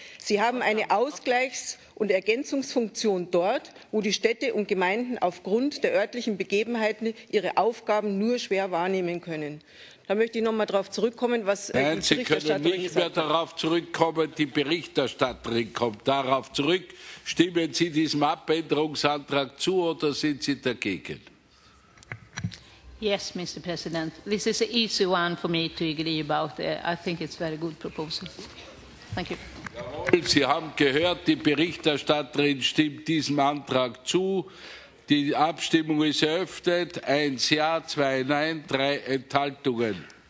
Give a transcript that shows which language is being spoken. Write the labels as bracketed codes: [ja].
[de] Sie haben eine Ausgleichs- und Ergänzungsfunktion dort, wo die Städte und Gemeinden aufgrund der örtlichen Begebenheiten ihre Aufgaben nur schwer wahrnehmen können. Da möchte ich noch mal darauf zurückkommen, was die Berichterstatterin gesagt hat. Nein, Sie können nicht mehr darauf zurückkommen. Die Berichterstatterin kommt darauf zurück. Stimmen Sie diesem Abänderungsantrag zu oder sind Sie dagegen? [en] Yes, Mr. President. This is an easy one for me to agree about. I think it's a very good proposal. Thank you. [de] Sie haben gehört, die Berichterstatterin stimmt diesem Antrag zu. Die Abstimmung ist eröffnet. Eins Ja, zwei Nein, drei Enthaltungen.